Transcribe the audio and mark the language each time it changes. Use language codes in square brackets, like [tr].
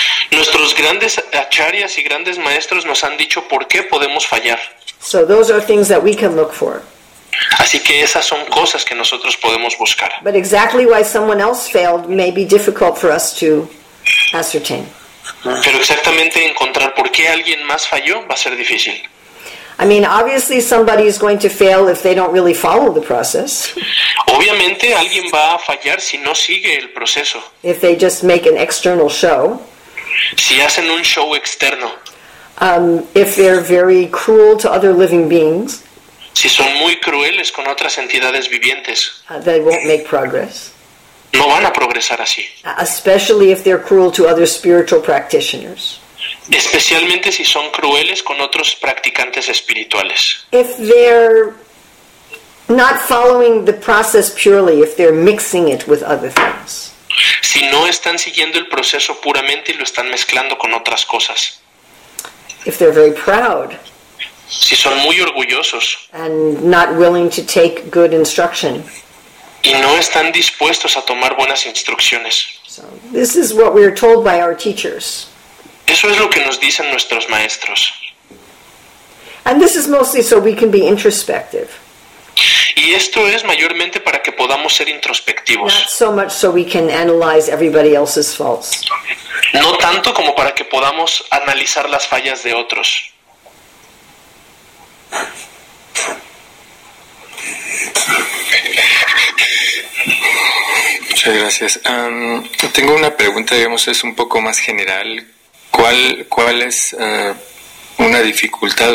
[es] Nuestros grandes acharyas y grandes maestros nos han dicho por qué podemos fallar. [en] So those are things that we can look for. [es] Así que esas son cosas que nosotros podemos buscar. [en] But exactly why someone else failed may be difficult for us to ascertain. [es] Pero exactamente encontrar por qué alguien más falló va a ser difícil. [en] I mean, obviously somebody is going to fail if they don't really follow the process. [es] Obviamente alguien va a fallar si no sigue el proceso. [en] If they just make an external show. [es] Si hacen un show externo. [en] If they're very cruel to other living beings. [es] Si son muy crueles con otras entidades vivientes. [en] They won't make progress. [es] No van a progresar así. [en] Especially if they're cruel to other spiritual practitioners. [es] Especialmente si son crueles con otros practicantes espirituales. [en] If they're not following the process purely, if they're mixing it with other things. [es] Si no están siguiendo el proceso puramente y lo están mezclando con otras cosas. [en] If they're very proud. [es] Si son muy orgullosos. [en] And not willing to take good instruction. [es] Y no están dispuestos a tomar buenas instrucciones. [en] So, this is what we are told by our teachers. [es] Eso es lo que nos dicen nuestros maestros. [en] And this is mostly so we can be introspective. [es] Y esto es mayormente para que podamos ser introspectivos. [en] Not so much so we can analyze everybody else's faults. [es] No tanto como para que podamos analizar las fallas de otros. Muchas gracias. Tengo una pregunta, digamos, es un poco más general. ¿Cuál es una dificultad?